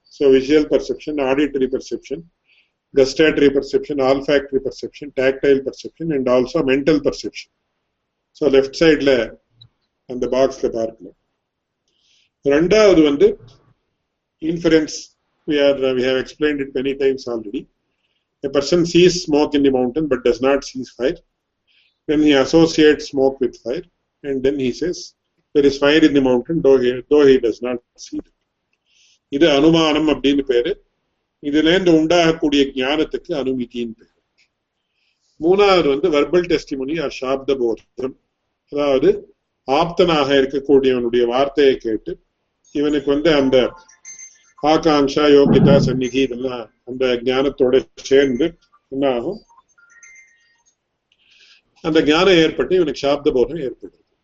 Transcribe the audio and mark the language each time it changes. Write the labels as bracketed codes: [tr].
[en] So visual perception, auditory perception, gustatory perception, olfactory perception, tactile perception and also mental perception. [ta] So left சைட்ல அந்த பாக்ஸ்ல பார்க்கணும். ரெண்டாவது வந்து inference, [en] we have explained it many times already. A person sees smoke in the mountain but does not see fire. Then he associates smoke with fire and then he says, there is fire in the mountain though he does not see it. [ta] இது அனுமானம் அப்படின்னு பேரு. இதுல இருந்து உண்டாகக்கூடிய ஜானத்துக்கு அனுமதின்னு பேரு. மூணாவது வந்து வெர்பல் டெஸ்டிமோனி ஆர் சாப்த போதம், அதாவது ஆப்தனாக இருக்கக்கூடியவனுடைய வார்த்தையை கேட்டு இவனுக்கு வந்து அந்த ஆகாங்ஷா யோகிதா சந்நிதி இதெல்லாம் அந்த ஜானத்தோட சேர்ந்து என்ன ஆகும், அந்த ஜானம் ஏற்பட்டு இவனுக்கு சாப்த போதம் ஏற்படுது.